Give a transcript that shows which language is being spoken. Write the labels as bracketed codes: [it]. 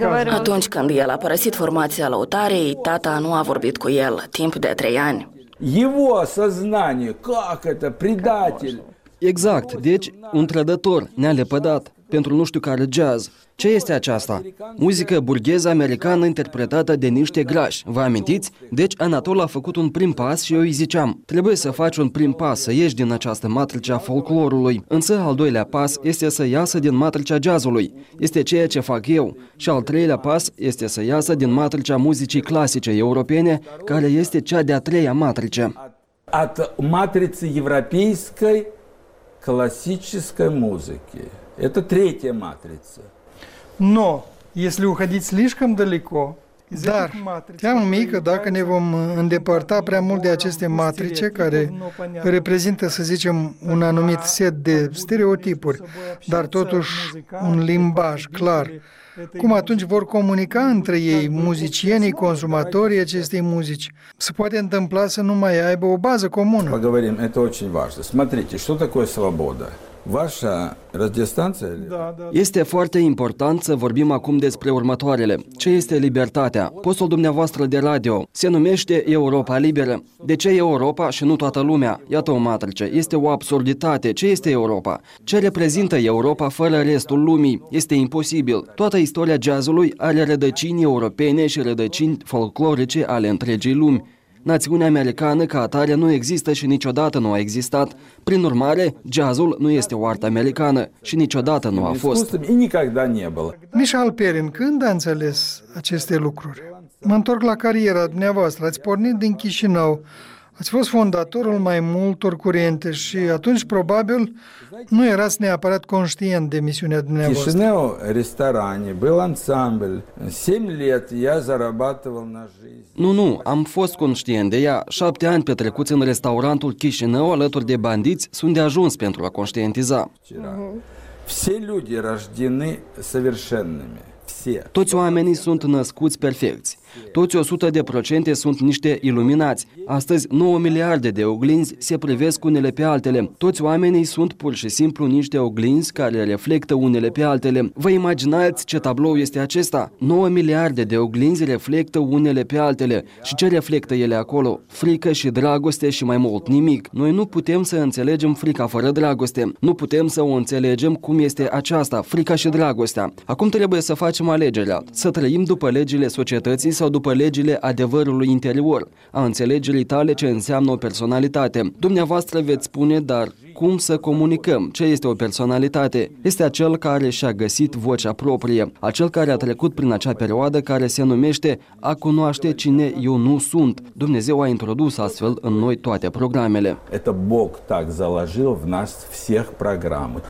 [ro] Atunci când el a părăsit formația lăutarei, tata nu a vorbit cu el timp de 3 ani. [ru] Его сознание, как это, предатель. [ro] Exact, deci un trădător, ne-a lepădat pentru nu știu care jazz. Ce este aceasta? Muzică burgheză americană interpretată de niște grași. Vă amintiți? Deci Anatol a făcut un prim pas și eu îi ziceam: trebuie să faci un prim pas, să ieși din această matrice a folclorului. Însă al doilea pas este să iasă din matricea jazzului. Este ceea ce fac eu. Și al treilea pas este să iasă din matricea muzicii clasice europene, care este cea de-a treia matrice. [ru] От матрицы европейской классической музыки. Это третья матрица. Но, если уходить слишком далеко, [ro] dar, teamă mică, dacă ne vom îndepărta prea mult de aceste matrice care reprezintă, să zicem, un anumit set de stereotipuri, dar totuși un limbaj clar, cum atunci vor comunica între ei muzicienii, consumatorii acestei muzici? Se poate întâmpla să nu mai aibă o bază comună. [ru] Поговорим, это очень важно. Смотрите, что такое свобода? Vașa radiostanță? [ro] Este foarte important să vorbim acum despre următoarele. Ce este libertatea? Postul dumneavoastră de radio se numește Europa Liberă. De ce Europa și nu toată lumea? Iată o matrice. Este o absurditate. Ce este Europa? Ce reprezintă Europa fără restul lumii? Este imposibil. Toată istoria jazzului are rădăcini europene și rădăcini folclorice ale întregii lumi. Națiunea americană ca atare nu există și niciodată nu a existat. Prin urmare, jazzul nu este o artă americană și niciodată nu a fost. Michal Perin, când a înțeles aceste lucruri? Mă întorc la cariera dumneavoastră. Ați pornit din Chișinău. Ați fost fondatorul mai multor curente și atunci probabil nu erați neapărat conștient de misiunea dumneavoastră. [ru] Chișinău, restaurant, был ансамбль. 7 лет я зарабатывал на жизнь. [ro] Nu, am fost conștient de ea. 7 ani petrecuți în restaurantul Chișinău alături de bandiți sunt de ajuns pentru a conștientiza. [ru] Все люди рождены совершенными. [ro] Toți oamenii sunt născuți perfecți. Toți 100% sunt niște iluminați. Astăzi 9 miliarde de oglinzi se privesc unele pe altele. Toți oamenii sunt pur și simplu niște oglinzi care reflectă unele pe altele. Vă imaginați ce tablou este acesta? 9 miliarde de oglinzi reflectă unele pe altele. Și ce reflectă ele acolo? Frică și dragoste și mai mult nimic. Noi nu putem să înțelegem frica fără dragoste. Nu putem să o înțelegem cum este aceasta, frica și dragostea. Acum trebuie să facem alegerea. Să trăim după legile societății sau după legile adevărului interior, a înțelegerii tale ce înseamnă o personalitate. Dumneavoastră veți spune, dar cum să comunicăm? Ce este o personalitate? Este acel care și-a găsit vocea proprie, acel care a trecut prin acea perioadă care se numește a cunoaște cine eu nu sunt. Dumnezeu a introdus astfel în noi toate programele. [ru] Это Бог так заложил в нас всех программы.